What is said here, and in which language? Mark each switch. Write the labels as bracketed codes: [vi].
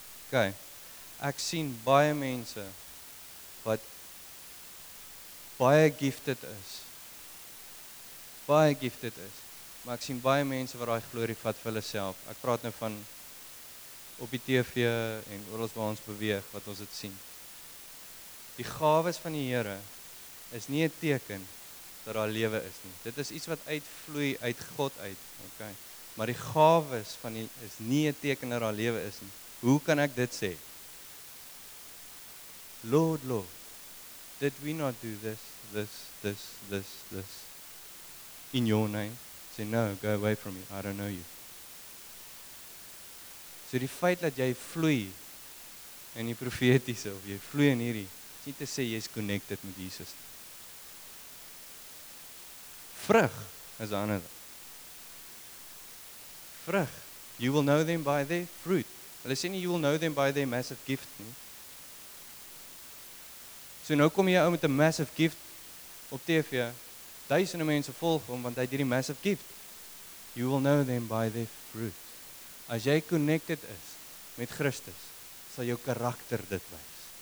[af] OK. Ek sien baie mense wat baie gifted is. Baie gifted is. Maar ek sien baie mense wat daai glorie vat vir hulle self. Ek praat nou van op die TV en oral waar ons beweeg, wat ons dit sien. Die gawes van die Here is nie 'n teken dat daar lewe is nie. Dit is iets wat uitvloei uit God uit, okay. Maar die gawes van die is nie 'n teken dat daar lewe is nie. Hoe kan ek dit sê? [en] Lord, Lord, did we not do this in your name? Say, no, go away from me. I don't know you. [af] So die feit dat jy vloei in die profetiese, of jy vloei in hierdie, is nie te sê jy is connected met Jesus. Vrug is ander. [en] Vrug. You will know them by their fruit. [af] Hulle sê nie, [en] you will know them by their massive gift [af] nie. So nou kom jy ou met 'n massive gift op TV, duisende mense volg hom, want hy het hierdie massive gift. [en] You will know them by their fruit. [af] As jy connected is met Christus, sal jou karakter dit wys.